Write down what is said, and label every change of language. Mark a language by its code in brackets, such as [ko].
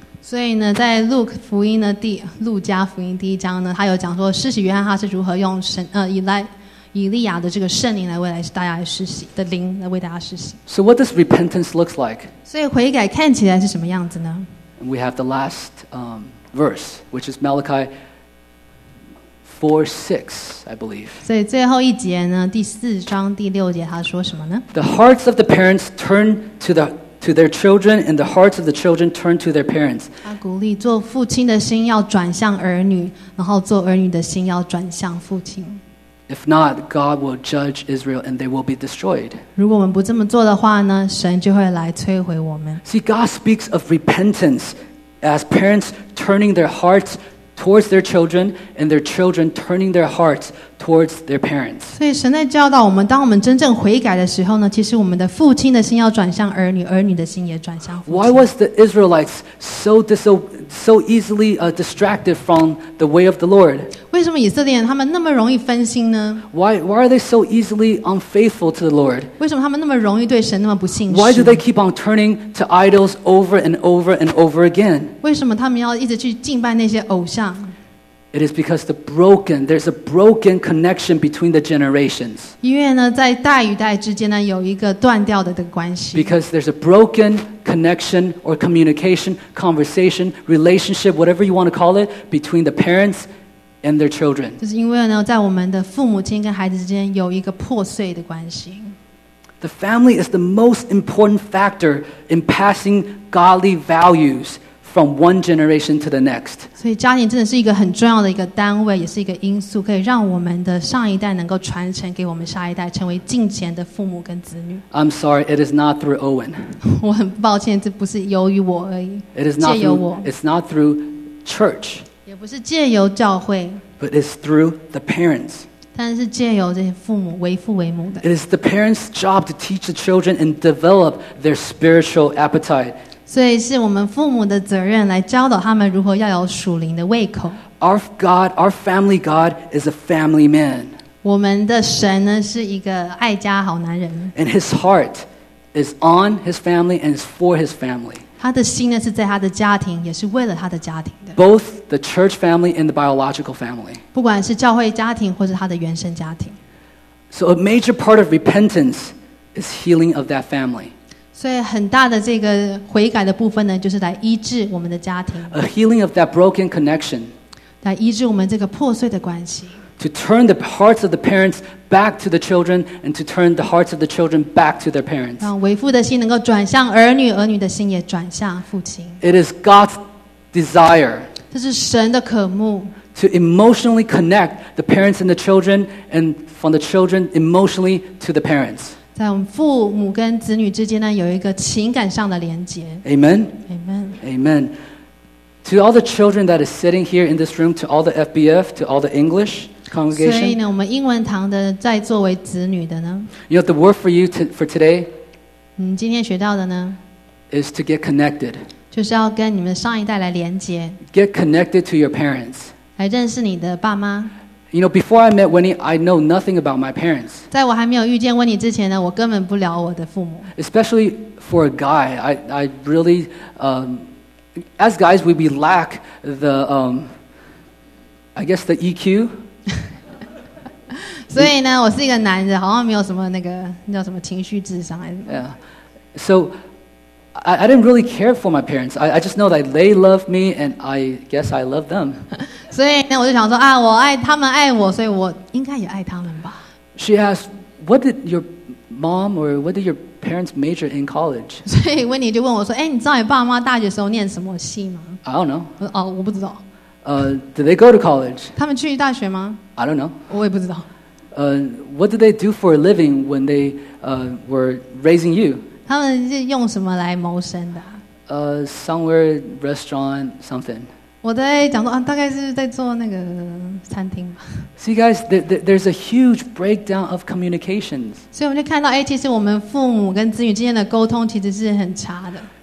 [zh] 所以呢，在路福音的路加福音第一章呢，他有讲说，施洗约翰他是如何用神以利亚的这个圣灵来为大家施洗的灵来为大家施洗。 [en] So what does repentance look like? [zh] 所以悔改看起来是什么样子呢 [en] ？We have the last verse, which is Malachi 4:6, I believe. [zh] 所以最后一节呢，第四章第六节他说什么呢 [en] ？The hearts of the parents turn to their children, and the hearts of the children turn to their parents. [zh] 他鼓励做父亲的心要转向儿女，然后做儿女的心要转向父亲。 [en] If not, God will judge Israel, and they will be destroyed. [zh] 如果我们不这么做的话呢，神就会来摧毁我们。 [en] See, God speaks of repentance as parents turning their hearts towards their children, and their children turning their hearts towards their parents. [zh] 所以神在教导我们，当我们真正悔改的时候呢，其实我们的父亲的心要转向儿女，儿女的心也转向父亲。 [en] Why was the Israelites so easily distracted from the way of the Lord? [zh] 为什么以色列人他们那么容易分心呢 [en] ？Why are they so easily unfaithful to the Lord? [zh] 为什么他们那么容易对神那么不信实 [en] ？Why do they keep on turning to idols over and over and over again? [zh] 为什么他们要一直去敬拜那些偶像？ [en] It is because there's a broken connection between the generations. [zh] 因为呢，在代与代之间呢，有一个断掉的关系。 [en] Because there's a broken connection or communication, conversation, relationship, whatever you want to call it, between the parents and their children. [zh] 就是因为呢，在我们的父母亲跟孩子之间有一个破碎的关系。 [en] The family is the most important factor in passing godly values. From one generation to the next. [zh] 所以家庭真的是一个很重要的一个单位，也是一个因素，可以让我们的上一代能够传承给我们下一代，成为敬虔的父母跟子女。 [en] I'm sorry, it is not through Owen. [zh] 我很抱歉，这不是由于我而已。 [en] It is not through. It's not through church. [zh] 也不是借由教会。 [en] But it's through the parents. [zh] 但是借由这些父母为父为母的。 [en] It is the parents' job to teach the children and develop their spiritual appetite. [zh] 所以是我们父母的责任来教导他们如何要有属灵的胃口。 [en] Our God, our family God is a family man. [zh] 我们的神呢是一个爱家好男人。 [en] And his heart is on his family and is for his family. [zh] 他的心呢是在他的家庭，也是为了他的家庭的。 [en] Both the church family and the biological family. [zh] 不管是教会家庭或是他的原生家庭。 [en] So a major part of repentance is healing of that family. [zh] 所以很大的这个悔改的部分呢，就是来医治我们的家庭。 [en] A healing of that broken connection. [zh] 来医治我们这个破碎的关系。 [en] To turn the hearts of the parents back to the children, and to turn the hearts of the children back to their parents. [zh] 让为父的心能够转向儿女，儿女的心也转向父亲。 [en] It is God's desire. [zh] 这是神的渴慕。 [en] To emotionally connect the parents and the children, and from the children emotionally to the parents. [zh] 在我们父母跟子女之间呢，有一个情感上的连结。 [en] Amen. Amen. Amen. To all the children that are sitting here in this room, to all the FBF, to all the English congregation. [zh] 所以呢，我们英文堂的在座为子女的呢。 [en] You know the word for you for today. [zh] 今天学到的呢。 [en] Is to get connected. [zh] 就是要跟你们上一代来连结。 [en] Get connected to your parents. [zh] 来认识你的爸妈。 [en] You know, before I met Winnie, I know nothing about my parents. [zh] 在我还没有遇见 Winnie 之前呢，我根本不聊我的父母。 [en] Especially for a guy, I really, as guys, we lack the, I guess the EQ. [zh] 所以呢，我是一个男的，好像没有什么那个那叫什么情绪智商还是什么。 [en] Yeah. So I didn't really care for my parents. I just know that they love me, and I guess I love them. [zh] 所以呢，我就想说啊，我爱他们爱我，所以我应该也爱他们吧。 [en] She asked, "What did your mom or what did your parents major in college?" [zh] 所以 Winnie 就问我说，哎，你知道你爸妈大学时候念什么系吗 [en] ？I don't know. [zh] 我说哦，我不知道。 [en] Did they go to college? [zh] 他们去大学吗 [en] ？I don't know. [zh] 我也不知道。 [en] What did they do for a living when they were raising you? [zh] 他们是用什么来谋生的、 [en] 啊、somewhere restaurant something [zh] 我在讲说、啊、大概是在做那个餐厅 [en] See guys there's a huge breakdown of communications [zh] 所以我们就看到、欸、其实我们父母跟子女之间的沟通其实是很差的